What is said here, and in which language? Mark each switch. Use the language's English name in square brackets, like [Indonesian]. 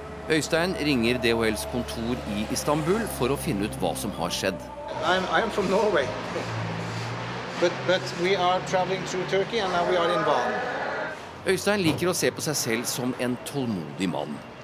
[Norwegian] Øystein ringer DHLs kontor i Istanbul for å finne ut hva som har skjedd. [English] I'm from Norway. But we are traveling through Turkey and now we are in Bonn. [Norwegian] Øystein liker å se på seg selv som en tålmodig mann.